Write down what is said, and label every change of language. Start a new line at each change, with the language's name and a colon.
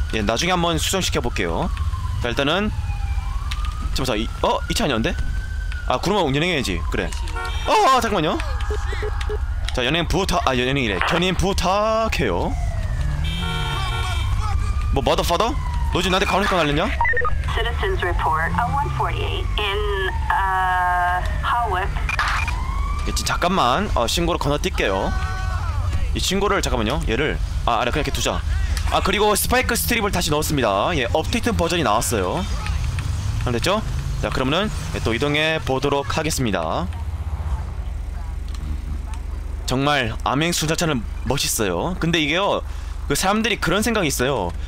Korean: 예, 나중에 한번 수정시켜볼게요. 자, 일단은 잠시만요. 어? 이 차 아니었는데? 아, 구름하고 연행해야지. 그래. 잠깐만요. 자, 연행 부탁. 아, 연행이래. 견인 부탁해요. 뭐 motherfucker? 너 지금 나한테 강력한 날렸냐?
English: Citizens report a 148 in Hawick.
Korean: 잠깐만. 신고를 건너뛸게요. 이 신고를 잠깐만요. 얘를 아니 그냥 이렇게 두자. 아, 그리고 스파이크 스트립을 다시 넣었습니다. 예, 업데이트 버전이 나왔어요. 안 됐죠? 자, 그러면은 또 이동해 보도록 하겠습니다. 정말 암행순찰차는 멋있어요. 근데 이게요, 그 사람들이 그런 생각이 있어요.